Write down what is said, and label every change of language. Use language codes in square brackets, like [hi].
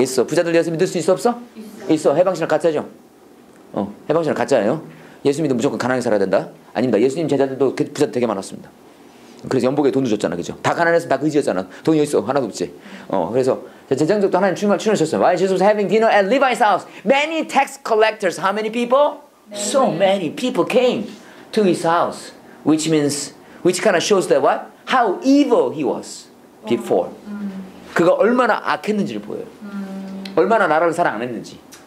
[ko] 있어. 부자들 예수 믿을 수 있어, 없어? 있어요. 있어. 해방신학 가짜죠? 해방신학 가짜예요. 예수 믿으면 무조건 가난하게 살아야 된다? 아닙니다. 예수님 제자들도 부자 되게 많았습니다. 그래서 연복에 돈도 줬잖아, 그죠? 다 가난해서 다 그지였잖아. 돈이 있어, 하나도 없지. 그래서 재정적도 하나님 출마를 추천하셨어요. [en] While Jesus was having dinner at Levi's house, many tax collectors, how many people? So many people came to his house, which means, which kind of shows that what? How evil he was before. [ko] 그가 얼마나 악했는지를 보여요. 얼마나 나라를 사랑 안 했는지.